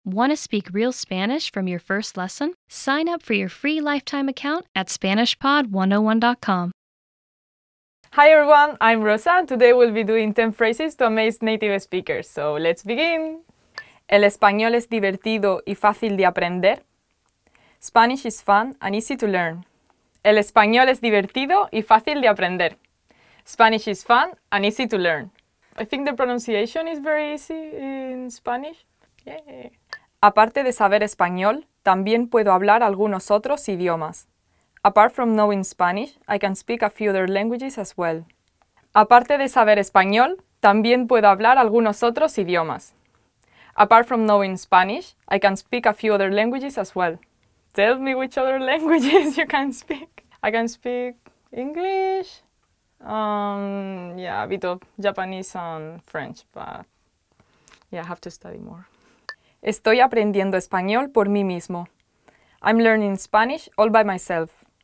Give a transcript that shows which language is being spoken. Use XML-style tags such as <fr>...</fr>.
<en>Want to speak real Spanish from your first lesson? Sign up for your free lifetime account at SpanishPod101.com. Hi everyone, I'm Rosa and today we'll be doing 10 phrases to amaze native speakers. So let's begin!</en> <es>El español es divertido y fácil de aprender.</es> <en>Spanish is fun and easy to learn.</en> <es>El español es divertido y fácil de aprender.</es> <en>Spanish is fun and easy to learn. I think the pronunciation is very easy in Spanish. Yeah.</en> <es>Aparte de saber español, también puedo hablar algunos otros idiomas.</es> <en>Apart from knowing Spanish, I can speak a few other languages as well.</en> <es>Aparte de saber español, también puedo hablar algunos otros idiomas.</es> <en>Apart from knowing Spanish, I can speak a few other languages as well. Tell me which other languages you can speak. I can speak English, a bit of Japanese and French, but yeah, I have to study more.</en> <es>Estoy aprendiendo español por mí mismo.</es> <en>I'm learning Spanish all by myself.</en>